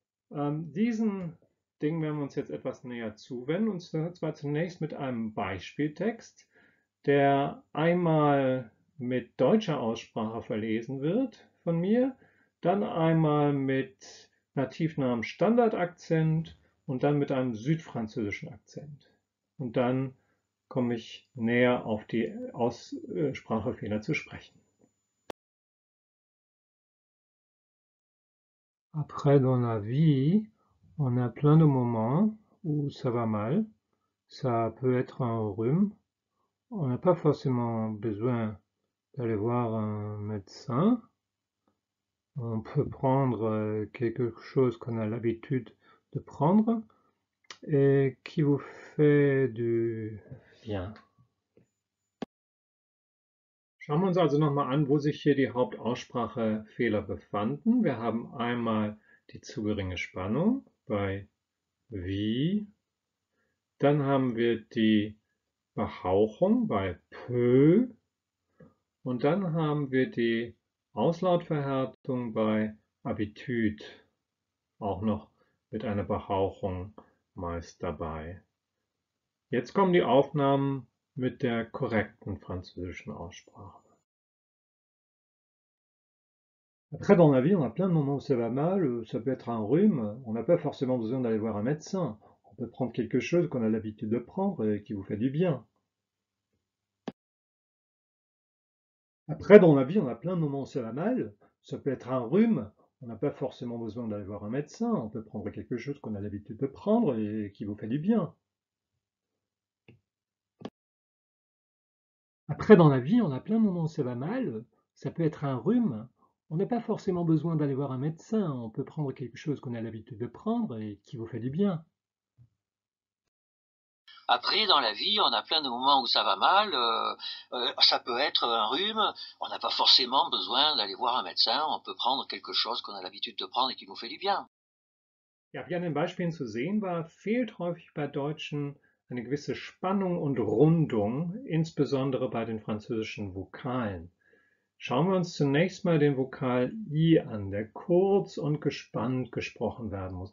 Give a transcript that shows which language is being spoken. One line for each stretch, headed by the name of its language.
German: Diesen Dingen werden wir uns jetzt etwas näher zuwenden, und zwar zunächst mit einem Beispieltext, der einmal mit deutscher Aussprache verlesen wird von mir, dann einmal mit nativnahem Standardakzent und dann mit einem südfranzösischen Akzent. Und dann komme ich näher auf die Aussprachefehler zu sprechen.
French: Après dans la vie, on a plein de moments où ça va mal. Ça peut être un rhume. On n'a pas forcément besoin d'aller voir un médecin. On peut prendre quelque chose qu'on a l'habitude de prendre et qui vous fait du... Bien.
German: Schauen wir uns also nochmal an, wo sich hier die Hauptaussprachefehler befanden. Wir haben einmal die zu geringe Spannung bei wie. Dann haben wir die Behauchung bei pö. Und dann haben wir die Auslautverhärtung bei Abitüt. Auch noch mit einer Behauchung meist dabei. Jetzt kommen die Aufnahmen mit der korrekten französischen Aussprache.
French: Après dans la vie, on a plein de moments où ça va mal, ça peut être un rhume, on n'a pas forcément besoin d'aller voir un médecin, on peut prendre quelque chose qu'on a l'habitude de prendre et qui vous fait du bien. Après dans la vie, on a plein de moments où ça va mal, ça peut être un rhume, on n'a pas forcément besoin d'aller voir un médecin, on peut prendre quelque chose qu'on a l'habitude de prendre et qui vous fait du bien. Après, dans la vie, on a plein de moments où ça va mal, ça peut être un rhume, on n'a pas forcément besoin d'aller voir un médecin, on peut prendre quelque chose qu'on a l'habitude de prendre et qui vous fait du bien. Après, dans la vie, on a plein de moments où ça va mal, ça peut être un rhume, on n'a pas forcément besoin d'aller voir un médecin, on peut prendre quelque chose qu'on a l'habitude de prendre et qui vous fait du bien.
German: Ja, wie an den Beispielen zu sehen war, fehlt häufig bei Deutschen eine gewisse Spannung und Rundung, insbesondere bei den französischen Vokalen. Schauen wir uns zunächst mal den Vokal I an, der kurz und gespannt gesprochen werden muss.